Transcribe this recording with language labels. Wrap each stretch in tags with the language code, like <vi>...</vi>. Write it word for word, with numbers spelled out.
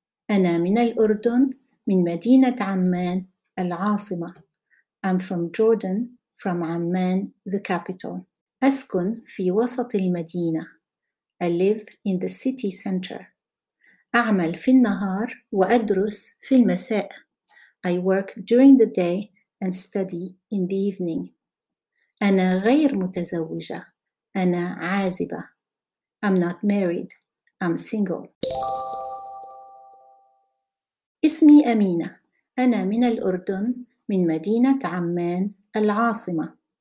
<ar>أنا من الأردن، من مدينة عمان العاصمة.</ar> <en>I'm from Jordan, from Amman, the capital.</en> <ar>أسكن في وسط المدينة.</ar> <en>I live in the city center.</en> <ar>أعمل في النهار وأدرس في المساء.</ar> <en>I work during the day and study in the evening.</en> <ar>أنا غير متزوجة، أنا عازبة.</ar> <en>I'm not married, I'm single.</en> <ar>اسمي أمينة. أنا من الأردن، من مدينة عمان العاصمة.</ar>